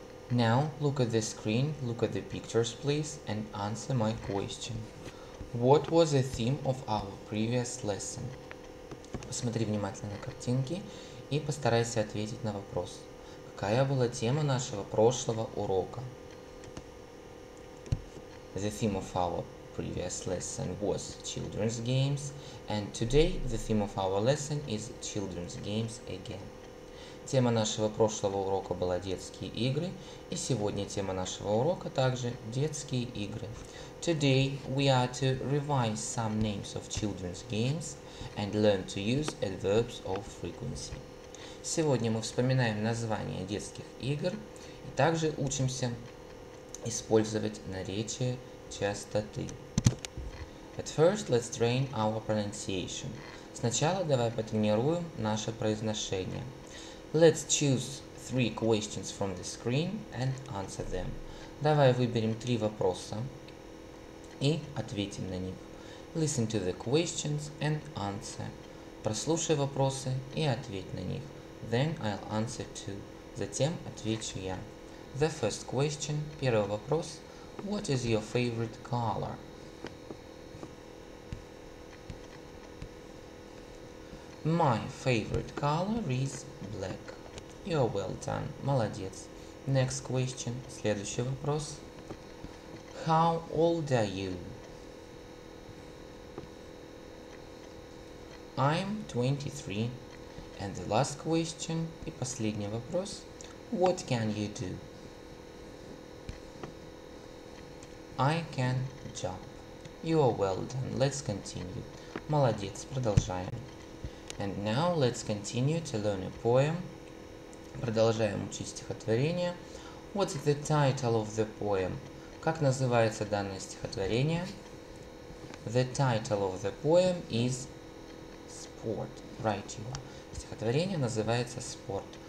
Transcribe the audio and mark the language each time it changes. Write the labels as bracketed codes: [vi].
[en] Now, look at the screen, look at the pictures, please, and answer my question. What was the theme of our previous lesson? [ru] Посмотри внимательно на картинки и постарайся ответить на вопрос. Какая была тема нашего прошлого урока? [en] The theme of our previous lesson was children's games, and today the theme of our lesson is children's games again. [ru] Тема нашего прошлого урока была детские игры, и сегодня тема нашего урока также детские игры. [en] Today we are to revise some names of children's games and learn to use adverbs of frequency. [ru] Сегодня мы вспоминаем названия детских игр и также учимся использовать наречия частоты. [en] At first let's train our pronunciation. [ru] Сначала давай потренируем наше произношение. [en] Let's choose three questions from the screen and answer them. [ru] Давай выберем три вопроса и ответим на них. [en] Listen to the questions and answer. [ru] Прослушай вопросы и ответь на них. [en] Then I'll answer too. [ru] Затем отвечу я. [en] The first question, [ru] первый вопрос. [en] What is your favorite color? My favorite color is black. You're well done. [ru] Молодец. [en] Next question. [ru] Следующий вопрос. [en] How old are you? I'm 23. And the last question. И последний вопрос. What can you do? I can jump. You're well done. Let's continue. [ru] Молодец. Продолжаем. [en] And now let's continue to learn a poem. [ru] Продолжаем учить стихотворение. [en] What's the title of the poem? [ru] Как называется данное стихотворение? [en] The title of the poem is Sport. Write его. [ru] Стихотворение называется Sport.